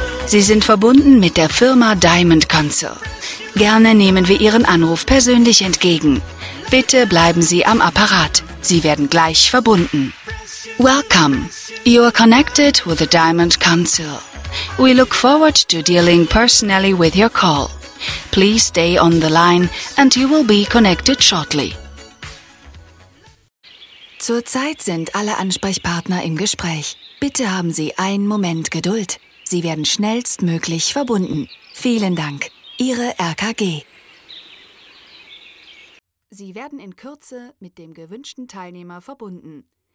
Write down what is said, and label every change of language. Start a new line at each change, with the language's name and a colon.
German: Sie sind verbunden mit der Firma Diamond Council. Gerne nehmen wir Ihren Anruf persönlich entgegen. Bitte bleiben Sie am Apparat. Sie werden gleich verbunden.
English: Welcome. You are connected with the Diamond Council. We look forward to dealing personally with your call. Please stay on the line and you will be connected shortly.
German: Zurzeit sind alle Ansprechpartner im Gespräch. Bitte haben Sie einen Moment Geduld. Sie werden schnellstmöglich verbunden. Vielen Dank. Ihre RKG. Sie werden in Kürze mit dem gewünschten Teilnehmer verbunden.